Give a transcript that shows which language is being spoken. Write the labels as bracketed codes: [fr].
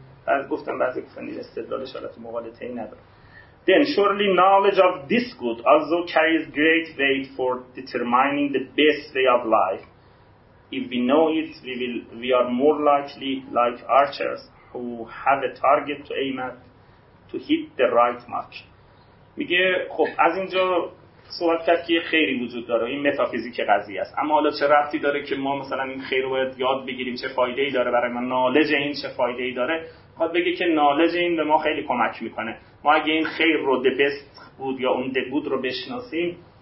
[fa] بعد گفتم بعضی کسانی استدلال شالت مغالطه ای نداره. [en] Then surely knowledge of this good also carries great weight for determining the best way of life. If we know it, we are more likely like archers who have a target to aim at to hit the right mark. [fa] میگه خب از اینجا صحبت کرد که خیری وجود داره، این متافیزیک قضیه است، اما حالا چه ربطی داره که ما مثلا این خیر رو باید یاد بگیریم، چه فایده ای داره برای ما، نالج این چه فایده ای داره؟ خواهد بگه که نالج این به ما خیلی کمک میکنه، ما اگه این خیر رو the best بود یا اون the good رو بشناسیم،